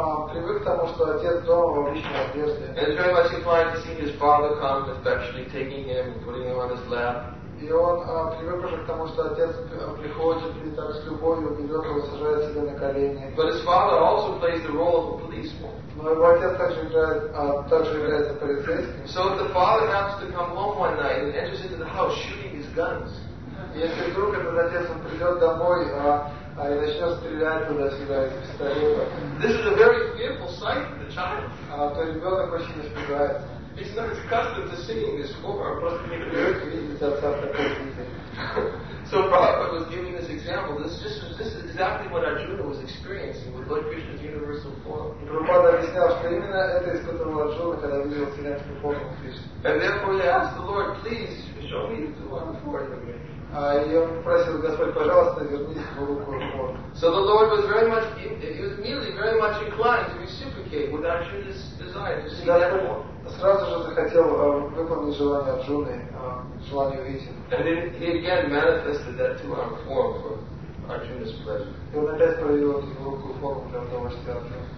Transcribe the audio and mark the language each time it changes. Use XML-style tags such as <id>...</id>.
<ru>Привык к тому, что отец дома в обычной одежде.</ru> <en>And it's very much inclined to see his father come affectionately taking him and putting him on his lap.</en> <ru>И он привык уже к тому, что отец приходит и там с любовью берет его, сажает себе на колени.</ru> <en>But his father also plays the role of a policeman.</en> <ru>Но его отец также является полицейским.</ru> <en>So if the father happens to come home one night and enters into the house shooting his guns.</en> <ru>Если вдруг этот отец придет домой, и начнет стрелять туда-сюда из пистолета.</ru> <en>This is a very fearful sight for the child.</en> <ru>То ребенок очень испугается.</ru> <en>It's not his custom to sing in this form. So Prabhupada was giving this example. This is exactly what Arjuna was experiencing with Lord Krishna's universal form. And therefore he asked the Lord, please show me the one for him. So the Lord was very much, he was immediately very much inclined to reciprocate with Arjuna's desire to see that form.</en> <ru>Сразу же захотел выполнить желание Арджуны, желание увидеть.</ru> <en>And he again manifested that two-armed form for Arjuna's pleasure.</en> <ru>И он опять проявил эту двуруковую форму для удовольствия Арджуны.</ru>